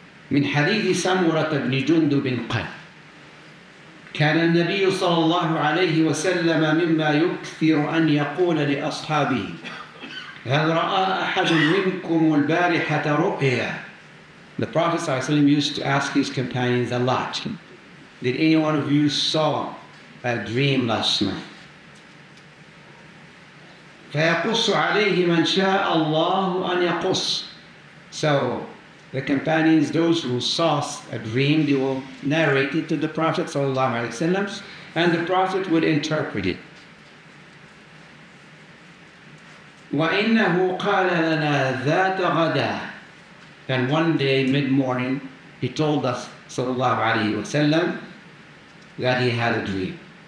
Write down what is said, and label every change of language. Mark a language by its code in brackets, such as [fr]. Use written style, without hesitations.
[ar] من حديث سمرة بن جندب قال كان النبي صلى الله عليه وسلم مما يكثر أن يقول لأصحابه هل رأى أحد منكم البارحة رؤيا. [en] The Prophet صلى الله عليه وسلم used to ask his companions a lot. Did anyone of you saw a dream last night? [ar] فيقص عليه من شاء الله أن يقص. So [en] The companions, those who saw a dream, they will narrate it to the Prophet sallallahu alaihi wasallam, and the Prophet would interpret it. [ar] وَإِنَّهُ قَالَ لَنَا ذَاتَ غَدَى. [en] And one day, mid-morning, he told us, sallallahu alaihi wasallam, that he had a dream.